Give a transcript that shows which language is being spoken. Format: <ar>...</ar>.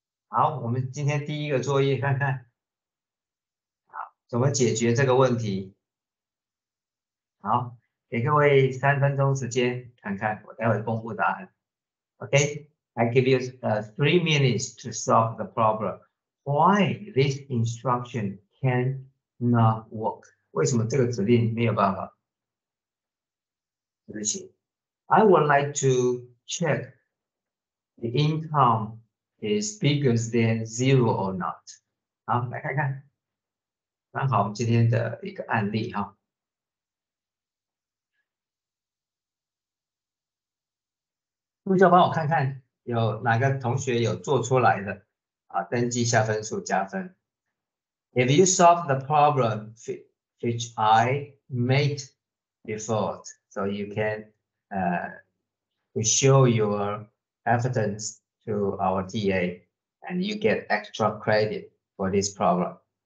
<zh>好，我们今天第一个作业看看。怎么解决这个问题？好，给各位三分钟时间看看，我待会公布答案。</zh> <en>Okay, I give you three minutes to solve the problem. Why this instruction cannot work?</en> <zh>为什么这个指令没有办法执行？</zh> <en>I would like to check the income is bigger than zero or not.</en> <zh>好，来看看。刚好我们今天的一个案例哈，助教帮我看看有哪个同学有做出来的啊，登记下分数加分。</zh> <en>If you solve the problem which I made before, so you can show your evidence to our TA, and you get extra credit for this problem.</en>